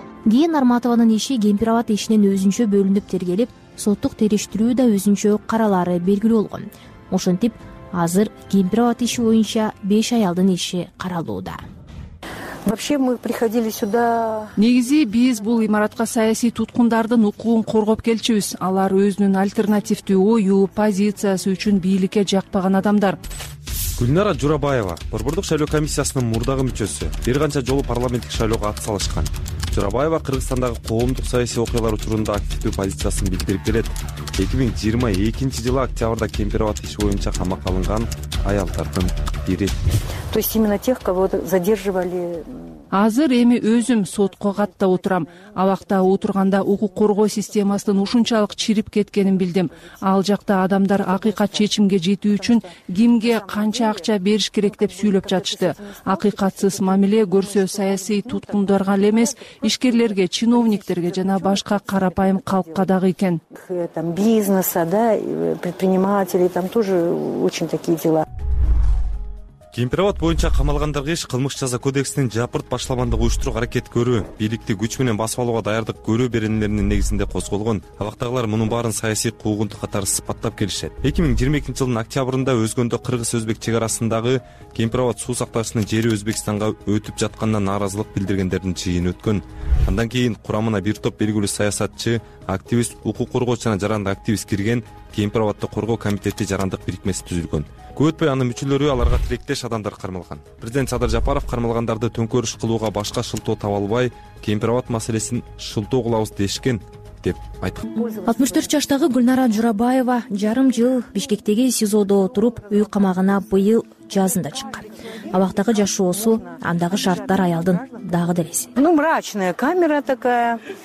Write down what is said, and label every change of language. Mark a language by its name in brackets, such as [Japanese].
[Kyrgyz] Кийин Нарматованын иши Кемпир абат ишинен өзүнчө бөлүнүп тергелип, соттук териштирүү да өзүнчө каралары белгилүү болгон. Ошентип, азыр Кемпир абат иши боюнча 5 аялдын иши каралууда. [Russian] Вообще мы приходили сюда. [Kyrgyz] Негизи биз бул имаратка саясий туткундардын укугун коргоп келчүбүз. Алар өзүнүн альтернативдүү ою, позициясы үчүн бийликке жакпаган адамдар. Гүлнара Журабаева борбордук шайлоо комиссиясынын мурдагы мүчөсү, бир канча жолу парламенттик шайлоого ат салышкан. Журабаева Кыргызстандагы коомдук саясий окуялар учурунда активдүү позициясын билдирип келет. 2022-жылы октябрда Кемпир абат иши боюнча камакка алынган аялдардын бири. [Russian] То есть именно тех, кого задерживали. [Kyrgyz] Азыр эми өзүм сотко катта отурам. Абакта отурганда укук коргоо системасынын ушунчалык чирип кеткенин билдим. Ал жакта адамдар акыйкат чечимге жетүү үчүн кимге канча акча бериш керек деп сүйлөп жатышты. Акыйкатсыз мамиле көрсө саясий туткундарга эле эмес, ишкерлерге, чиновниктерге жана башка карапайым калкка дагы экен. [Russian] Там бизнеса, да, предпринимателей, там тоже очень такие дела. [Kyrgyz] Кемпироват боюнча камалгандарга иш кылмыш жаза кодексинин жапырт башламандык уюштуруу аракет көрүү, бийликти күч менен басып алууга даярдык көрүү беренелеринин негизинде козголгон. Абактагылар мунун баарын саясий куугунтук катары сыпаттап келишет. 2022 жылдын октябрында өзгөндө кыргыз өзбек чек арасындагы Кемпироват суу сактагычынын жери Өзбекстанга өтүп жатканына нааразылык билдиргендердин жыйыны өткөн. Андан кийин курамына бир топ белгилүү саясатчы, активист, укук коргоочу жана жарандык активист кирген Кемпироватты коргоо комитети жарандык бирикмеси түзүлгөн. Көп өтпөй анын мүчөлөрү, аларга тилектеш адамдар кармалган. Президент Садыр Жапаров кармалгандарды төңкөрүш кылууга башка шылтоо таба албай, Кемпироват маселесин шылтоо кылабыз дешкен. 64 жаштагы Гүлнара Журабаева жарым жыл Бишкектеги СИЗОдо отуруп, үй камагына быйыл жазында чыккан. Абактагы жашоосу, андагы шарттар аялдын дагы деле. [Russian] Ну, мрачная камера такая.